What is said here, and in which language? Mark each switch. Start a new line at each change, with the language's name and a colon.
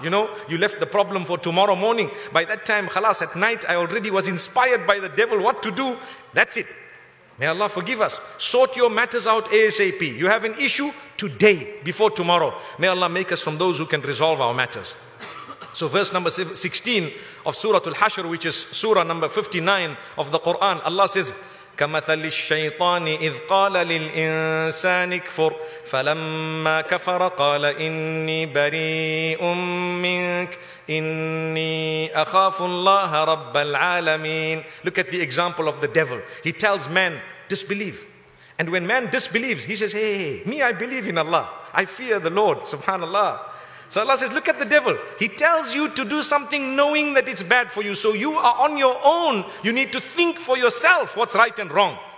English: You know, you left the problem for tomorrow morning. By that time, khalas, at night, I already was inspired by the devil what to do. That's it. May Allah forgive us. Sort your matters out ASAP. You have an issue today before tomorrow. May Allah make us from those who can resolve our matters. So verse number 16 of Surah Al-Hashr, which is Surah number 59 of the Quran, Allah says,
Arabic: كَمَثَلِ الشَّيْطَانِ إِذْ قَالَ لِلْإِنسَانِ اكْفُرْ فَلَمَّا كَفَرَ قَالَ إِنِّي بَرِيءٌ مِّنكَ إِنِّي أَخَافُ اللَّهَ رَبَّ الْعَالَمِينَ.
English: Look at the example of the devil. He tells man, disbelieve. And when man disbelieves, he says, hey, me, I believe in Allah. I fear the Lord, subhanallah. So Allah says, look at the devil. He tells you to do something knowing that it's bad for you. So you are on your own. You need to think for yourself what's right and wrong.